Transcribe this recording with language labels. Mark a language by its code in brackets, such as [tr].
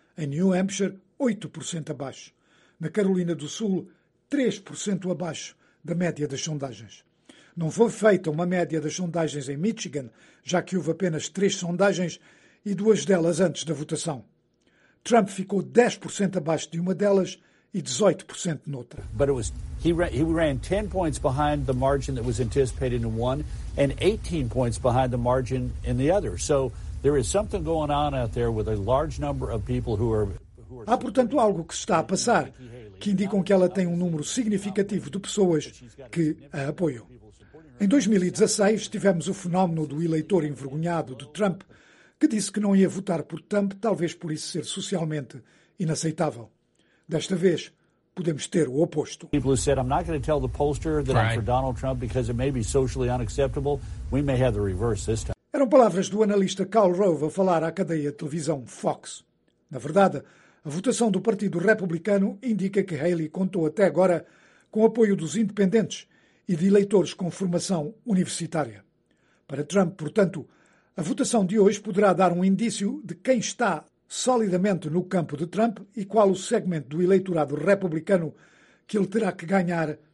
[pt] Em New Hampshire, 8% abaixo. Na Carolina do Sul, 3% abaixo da média das sondagens. Não foi feita uma média das sondagens em Michigan, já que houve apenas 3 sondagens e 2 delas antes da votação. Trump ficou 10% abaixo de uma delas e 18% noutra. [en] But it was he ran 10 points behind the margin that was anticipated in one and 18 points behind the margin in the other. So there is something going on out there with a large number of people who are. [pt] Há, portanto, algo que está a passar que indicam que ela tem um número significativo de pessoas que a apoiam. Em 2016 tivemos o fenómeno do eleitor envergonhado de Trump, que disse que não ia votar por Trump, talvez por isso ser socialmente inaceitável. Desta vez, podemos ter o oposto. [en] People said I'm not going to tell the pollster that I'm for Donald Trump because it may be socially unacceptable. We may have the reverse this time. [pt] Eram palavras do analista Karl Rove a falar à cadeia de televisão Fox. Na verdade, a votação do Partido Republicano indica que Haley contou até agora com o apoio dos independentes e de eleitores com formação universitária. Para Trump, portanto, a votação de hoje poderá dar um indício de quem está solidamente no campo de Trump e qual o segmento do eleitorado republicano que ele terá que ganhar